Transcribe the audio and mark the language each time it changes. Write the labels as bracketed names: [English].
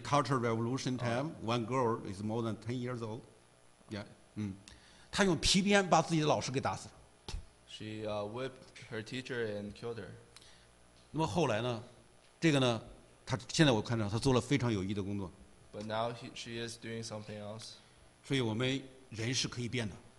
[English] Cultural Revolution time, one girl is more than 10 years old. Yeah. [Chinese] 他用皮鞭把自己的老师给打死了。 [English] She whipped her teacher and killed her. [Chinese] 那么后来呢？这个呢？他现在我看到他做了非常有益的工作。 [English] But now she is doing something else. [Chinese] 所以我们人是可以变的。